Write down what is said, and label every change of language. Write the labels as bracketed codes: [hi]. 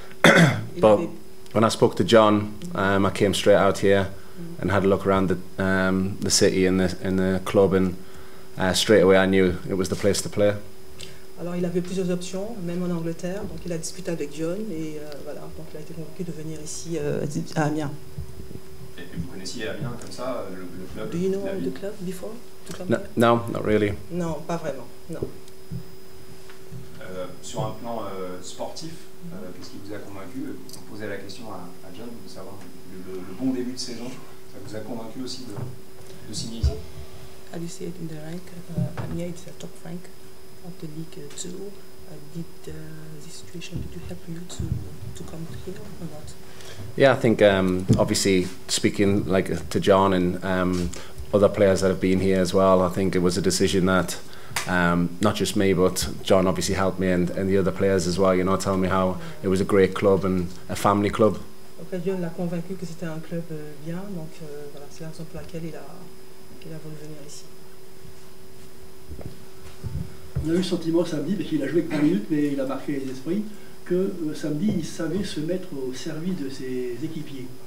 [en] But when I spoke to John, I came straight out here and had a look around the city and the club, and straight away I knew it was the place to play. [fr] Alors il avait plusieurs options, même en Angleterre, donc il a discuté avec John, et voilà, donc il a été convaincu de venir ici à Amiens. Et vous connaissiez Amiens comme ça, le club? [en] Do you know the club before? No, not really. [fr] Non, pas vraiment, non. Sur un plan sportif, qu'est-ce qui vous a convaincu? Vous posez la question à John de savoir le bon début de saison, ça vous a convaincu aussi de signer ici? [en] As you see it in the rank, Amiens is a top rank. Of the league too. Did this situation did you help you to come here or not? Yeah, I think obviously speaking like to John and other players that have been here as well, I think it was a decision that not just me, but John obviously helped me and the other players as well, you know, telling me how it was a great club and a family club. [fr] Okay, John l'a convaincu que c'était un club bien, donc voilà, c'est la raison pour laquelle il a voulu venir ici. On a eu le sentiment samedi, parce qu'il a joué que 10 minutes, mais il a marqué les esprits, que samedi, il savait se mettre au service de ses équipiers.